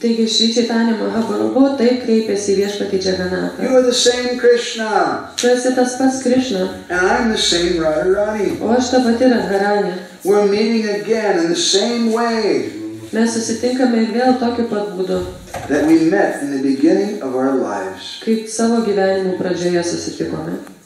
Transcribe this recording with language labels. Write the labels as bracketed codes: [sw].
[lt] Taigi Šri Čaitanya Mahaprabhu taip kreipėsi į viešpatį Jagannatą. [en] You are the same Krishna. [lt] Tu esi tas pats Krishna. [en] And I'm the same Radharani. [lt] O aš ta pati Radharani. [en] We're meeting again in the same way. [lt] Mes susitinkame vėl tokiu pat būdu. [en] That we met in the beginning of our lives. [lt] Kaip savo gyvenimo pradžioje susitikome.